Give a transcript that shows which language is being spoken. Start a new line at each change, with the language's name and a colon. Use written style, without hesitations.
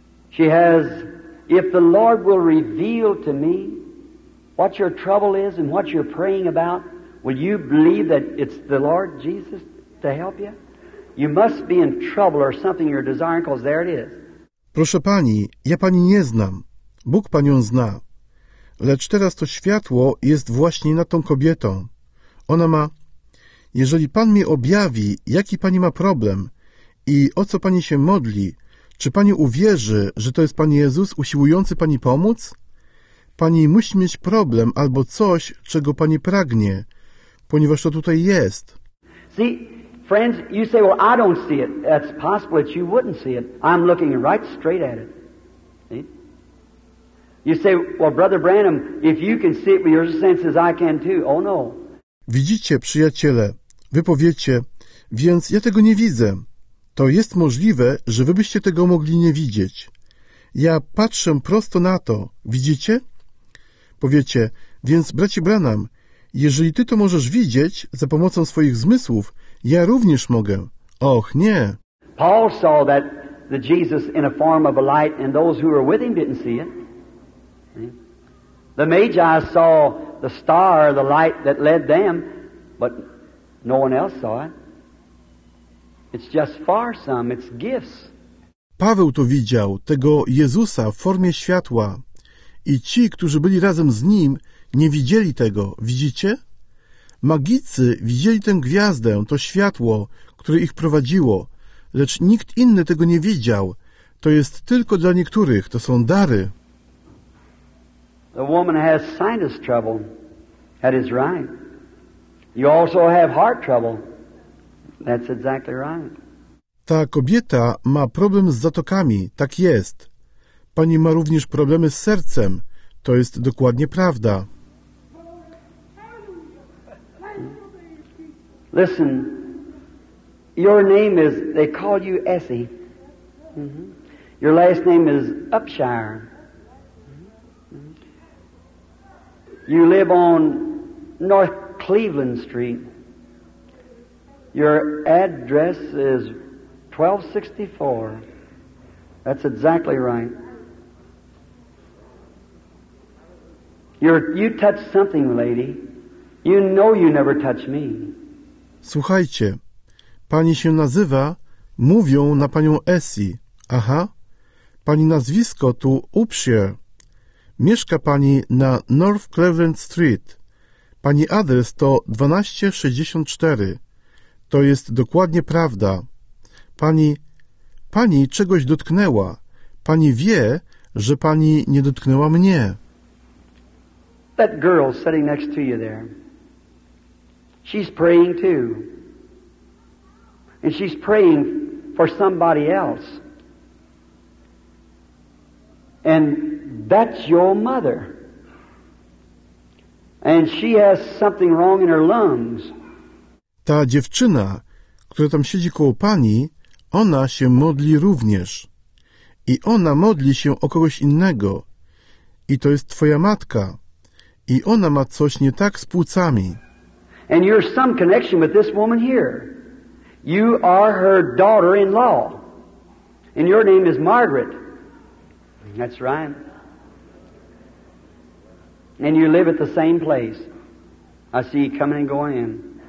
English: She has, if the Lord will reveal to me what your trouble is and what you're praying about, will you believe that it's the Lord Jesus to help you? You must be in trouble or something you're desiring, because there it is.
Polish: Proszę Pani, ja Pani nie znam. Bóg Panią zna. Lecz teraz to światło jest właśnie nad tą kobietą. Ona ma... Jeżeli Pan mi objawi, jaki Pani ma problem i o co Pani się modli, czy Pani uwierzy, że to jest Pan Jezus usiłujący Pani pomóc? Pani musi mieć problem albo coś, czego Pani pragnie, ponieważ to tutaj jest.
English: See, friends, you say, well, I don't see it. That's possible that you wouldn't see it. I'm looking right straight at it. You say, well, Brother Branham, if you can see it with your senses, I can too. Oh, no.
Polish: Widzicie, przyjaciele, wy powiecie, więc ja tego nie widzę. To jest możliwe, że wy byście tego mogli nie widzieć. Ja patrzę prosto na to, widzicie? Powiecie, więc bracie Branham, jeżeli ty to możesz widzieć za pomocą swoich zmysłów, ja również mogę. Och, nie.
English: Paul saw that the Jesus in a form of a light and those who were with him didn't see it. The Magi saw the star, the light that led them, but no one else saw it. It's just far some, it's gifts.
Polish: Paweł to widział, tego Jezusa w formie światła. I ci, którzy byli razem z Nim, nie widzieli tego, widzicie? Magicy widzieli tę gwiazdę, to światło, które ich prowadziło, lecz nikt inny tego nie widział. To jest tylko dla niektórych, to są dary.
English: The woman has sinus trouble. That is right. You also have heart trouble. That's exactly right.
Polish: Ta kobieta ma problem z zatokami. Tak jest. Pani ma również problemy z sercem. To jest dokładnie prawda.
English: Listen. Your name is, they call you Essie. Your last name is Upshire. You live on North Cleveland Street. Your address is 1264. That's exactly right. You touched something, lady. You know you never touched me.
Polish: Słuchajcie, pani się nazywa, mówią na panią Essie. Aha, pani nazwisko tu Upshire. Mieszka pani na North Cleveland Street. Pani adres to 1264. To jest dokładnie prawda. Pani czegoś dotknęła. Pani wie, że pani nie dotknęła mnie.
English: That girl sitting next to you there. She's praying too. And she's praying for somebody else. And that's your mother. And she has something wrong in her lungs.
Polish: Ta dziewczyna, która tam siedzi koło pani, ona się modli również. I ona modli się o kogoś innego. I to jest twoja matka. I ona ma coś nie tak z płucami.
English: And you're some connection with this woman here. You are her daughter-in-law. And your name is Margaret. That's right. And you live at the same place. I see you coming and going in.